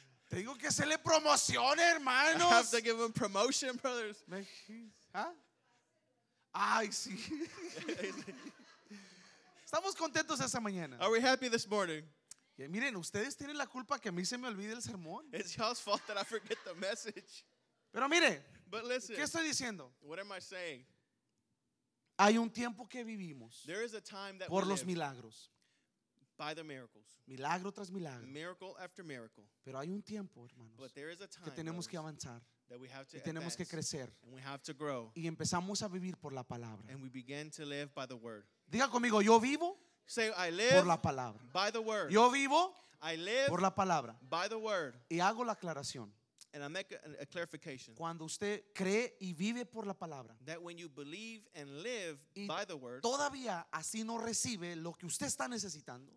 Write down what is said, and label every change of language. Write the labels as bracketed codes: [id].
[es] Tengo que hacerle promoción, hermanos. [en] I have to give him promotion, brothers. [es] ¿Ah? Ay, sí. Estamos contentos esa mañana. [en] Are we happy this morning? [es] Y miren, ustedes tienen la culpa que a mí se me olvide el sermón. [en] It's y'all's fault that I forget the message. [es] Pero mire, [en] but listen, [es] ¿qué estoy diciendo? [en] What am I saying? [es] Hay un tiempo que vivimos por los milagros. [en] By the miracles. [es] Milagro tras milagro. [en] Miracle after miracle. [es] Pero hay un tiempo, hermanos, [en] but there is a time, [es] que tenemos que avanzar [en] that we have to [es] y tenemos que crecer [en] and we have to grow. [es] Y empezamos a vivir por la palabra. [en] And we begin to live by the word. [es] Diga conmigo, yo vivo [en] say, I live [es] por la palabra. [en] By the word. [es] Yo vivo [en] I live [es] por la palabra. [en] By the word. [es] Y hago la aclaración. [en] And I make a clarification. [es] Cuando usted cree y vive por la palabra, [en] that when you believe and live by the word, [es] todavía así no recibe lo que usted está necesitando,